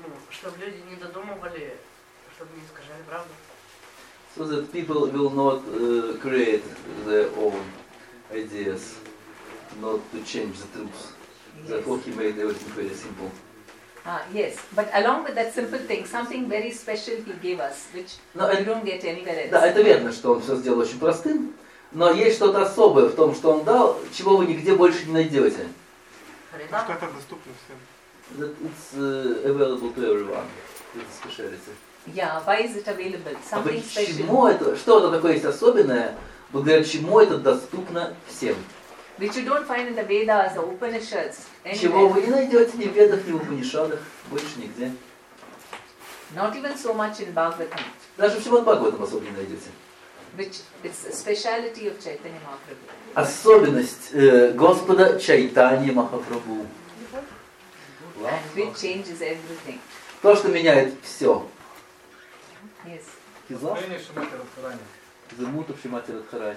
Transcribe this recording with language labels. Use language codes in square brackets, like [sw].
[ru] Чтобы люди не додумывали, чтобы не сказали правду. [en] So that people will not create their own ideas, not to change the truth. Yes. Therefore he made everything very simple. Yes, but along with that simple thing, something very special he gave us, which we don't get anywhere else. [ru] Да, это верно, что он все сделал очень простым. Но есть что-то особое в том, что он дал, чего вы нигде больше не найдете. Что это доступно всем? [en] It's available to everyone. It's specialty. Yeah, why is it available? Something special. [ru] Почему это? Что это такое есть особенное, благодаря чему это доступно всем? [en] Which you don't find in the Vedas or Upanishads. [ru] Чего вы не найдете ни в Ведах, ни в Упанишадах, больше нигде. [en] Not even so much in Bhagavatam. [ru] Даже в Шримад Бхагаватам особо не найдете. [en] Which is a speciality of Chaitanya Mahaprabhu. [ru] Особенность Господа Чайтаньи Махапрабху. [en] And which changes everything. [ru] То, что меняет все. [en] Yes. The mood of Шримати Радхарани.